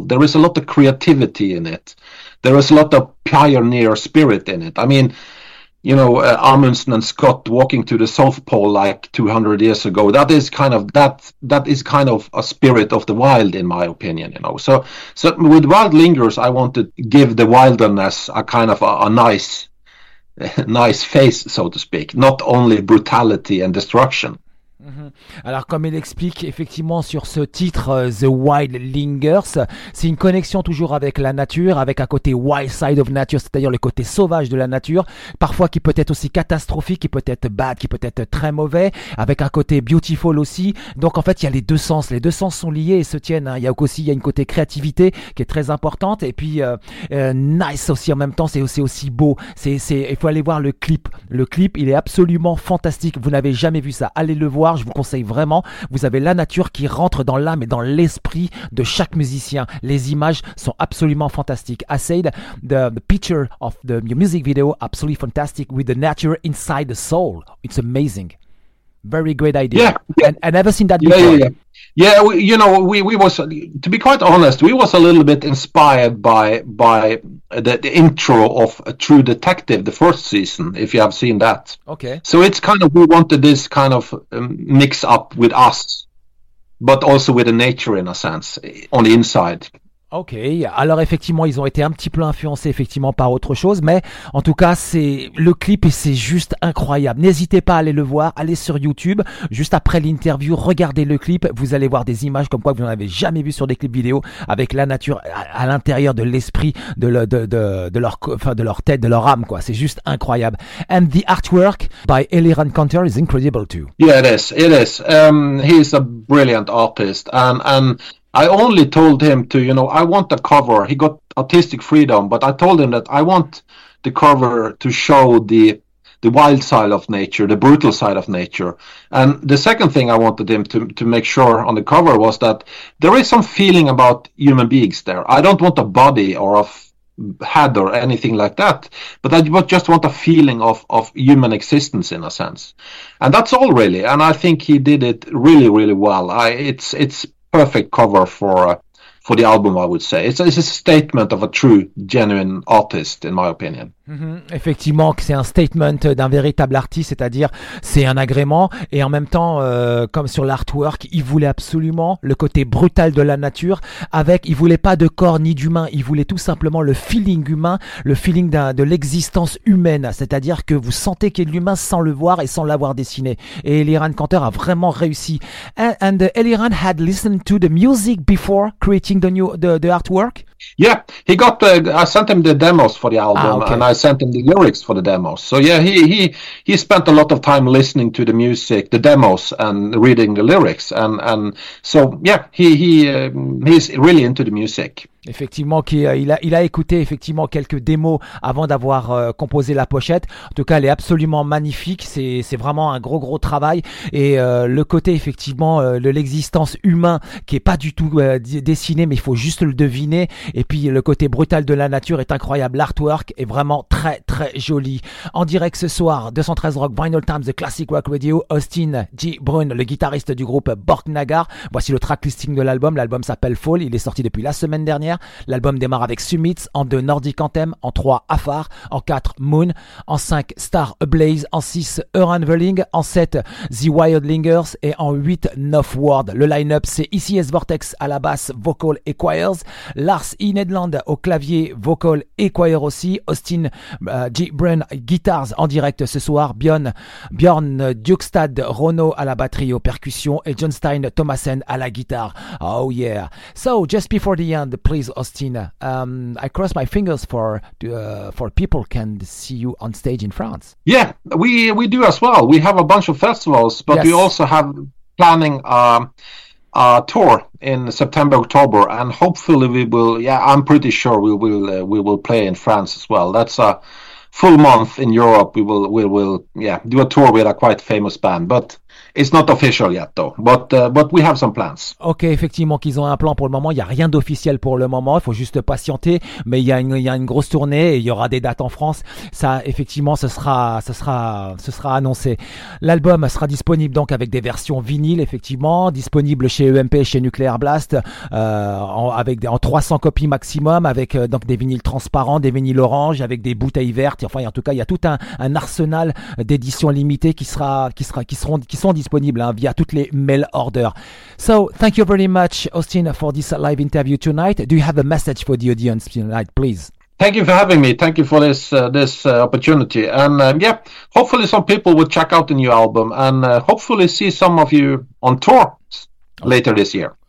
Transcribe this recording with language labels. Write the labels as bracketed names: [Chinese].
[English] There is a lot of creativity in it. There is a lot of pioneer spirit in it. I mean, you know, Amundsen and Scott walking to the South Pole like 200 years ago. That is kind of a spirit of the wild, in my opinion, you know. So with Wild Lingers, I want to give the wilderness a kind of a nice face, so to speak, not only brutality and destruction. [French] Alors, comme il explique effectivement sur ce titre, The Wild Lingers, c'est une connexion toujours avec la nature, avec un côté [English] wild side of nature, [French] c'est-à-dire le côté sauvage de la nature, parfois qui peut être aussi catastrophique, qui peut être bad, qui peut être très mauvais, avec un côté beautiful aussi. Donc en fait, il y a les deux sens sont liés et se tiennent, hein. Il y a aussi une côté créativité qui est très importante, et puis nice aussi en même temps, c'est aussi beau. Il faut aller voir le clip, il est absolument fantastique, vous n'avez jamais vu ça, allez le voir, je vous conseille vraiment. Vous avez la nature qui rentre dans l'âme et dans l'esprit de chaque musicien. Les images sont absolument fantastiques. [English] I said the picture of the music video absolutely fantastic with the nature inside the soul. It's amazing. Very great idea. Yeah. And I never seen that before. Yeah, we was, to be quite honest, we was a little bit inspired by the intro of A True Detective, the first season, if you have seen that. Okay. So it's kind of, we wanted this kind of mix up with us, but also with the nature in a sense, on the inside. Ok. [French] Alors effectivement, ils ont été un petit peu influencés effectivement par autre chose, mais en tout cas, c'est le clip et c'est juste incroyable. N'hésitez pas à aller le voir, allez sur YouTube juste après l'interview, regardez le clip, vous allez voir des images comme quoi vous n'en avez jamais vu sur des clips vidéo avec la nature à l'intérieur de l'esprit de leur tête, de leur âme quoi. C'est juste incroyable. [English] And the artwork by Eliran Kantor is incredible too. Yeah, it is. It is. He's a brilliant artist and I only told him to, you know, I want the cover. He got artistic freedom, but I told him that I want the cover to show the wild side of nature, the brutal side of nature. And the second thing I wanted him to make sure on the cover was that there is some feeling about human beings there. I don't want a body or a head or anything like that, but I just want a feeling of human existence in a sense. And that's all really. And I think he did it really, really well. It's perfect cover for the album, I would say. It's a statement of a true, genuine artist, in my opinion. [French] Effectivement, que c'est un statement d'un véritable artiste, c'est-à-dire c'est un agrément et en même temps, comme sur l'artwork, il voulait absolument le côté brutal de la nature. Avec, il voulait pas de corps ni d'humain, il voulait tout simplement le feeling humain, le feeling de l'existence humaine, c'est-à-dire que vous sentez qu'il y a de l'humain sans le voir et sans l'avoir dessiné. Et Eliran Kantor a vraiment réussi. [English] And Eliran had listened to the music before creating the artwork. Yeah, he got. I sent him the demos for the album, okay. And I sent him the lyrics for the demos. So yeah, he spent a lot of time listening to the music, the demos, and reading the lyrics. And so yeah, he's really into the music. [French] Effectivement, il a écouté effectivement quelques démos avant d'avoir composé la pochette. En tout cas, elle est absolument magnifique. C'est vraiment un gros travail. Et le côté effectivement de l'existence humain qui est pas du tout dessiné, mais il faut juste le deviner. Et puis le côté brutal de la nature est incroyable. L'artwork est vraiment très très joli. En direct ce soir, 213 Rock Vinyl Times, The Classic Rock Radio, Austin G. Brun, le guitariste du groupe Borknagar. Voici le track listing de l'album. L'album s'appelle Fall. Il est sorti depuis la semaine dernière. L'album démarre avec Summits, en 2 Nordic Anthem, en 3 Afar, en 4 Moon, en 5 Star Ablaze, en 6 Unraveling, en 7 The Wild Lingers et en 8 North Ward. Le line-up c'est ECS Vortex à la basse, vocal et choirs, Lars E. Nedland au clavier, vocal et choir aussi, Austin G. Brun guitars en direct ce soir, Bjorn Dukstad Rono à la batterie aux percussions et John Stein Thomasen à la guitare. [English] Oh yeah! So, just before the end, please, Austin, I cross my fingers for people can see you on stage in France. Yeah, we do as well. We have a bunch of festivals, but yes. We also have planning a tour in September, October, and hopefully we will. Yeah, I'm pretty sure we will play in France as well. That's a full month in Europe. We will do a tour with a quite famous band, but. It's not official yet, though. But we have some plans. [French] Ok, effectivement, qu'ils ont un plan pour le moment. Il n'y a rien d'officiel pour le moment. Il faut juste patienter. Mais il y a une grosse tournée et il y aura des dates en France. Ça, effectivement, ce sera annoncé. L'album sera disponible donc avec des versions vinyle, effectivement, disponible chez EMP, chez Nuclear Blast, avec 300 copies maximum, avec donc des vinyles transparents, des vinyles orange, avec des bouteilles vertes. Enfin, en tout cas, il y a tout un arsenal d'éditions limitées qui sont disponibles via toutes les mail orders. [English] So, thank you very much, Austin, for this live interview tonight. Do you have a message for the audience tonight, please? Thank you for having me. Thank you for this opportunity. And hopefully some people will check out the new album and hopefully see some of you on tour later this year.